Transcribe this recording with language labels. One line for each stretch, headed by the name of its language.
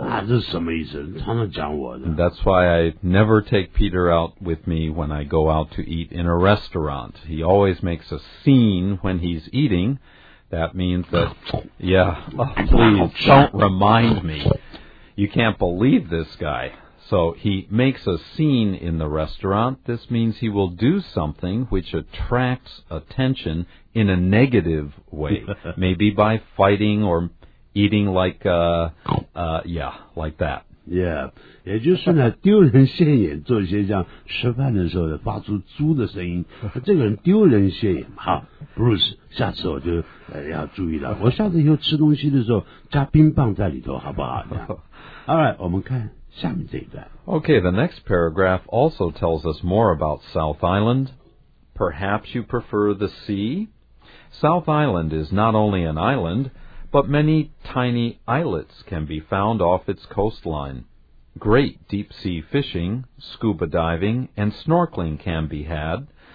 Chinese: 啊,这是什么意思?常常讲我的。
English: That's why I never take Peter out with me when I go out to eat in a restaurant. He always makes a scene when he's eating. That means that, yeah, oh, please, don't remind me. You can't believe this guy. So he makes a scene in the restaurant. This means he will do something which attracts attention in a negative way, maybe by fighting or eating like, yeah, like that.
Chinese: Yeah, 也就是呢,丢人现眼,做一些像吃饭的时候的发出猪的声音,这个人丢人现眼,好,Bruce,下次我就要注意了,我下次以后吃东西的时候加冰棒在里头,好不好?好,来,我们看下面这一段。Okay,
English: the next paragraph also tells us more about South Island. Perhaps you prefer the sea? South Island is not only an island, but many tiny islets can be found off its coastline. Great deep-sea fishing, scuba diving, and snorkeling can be had.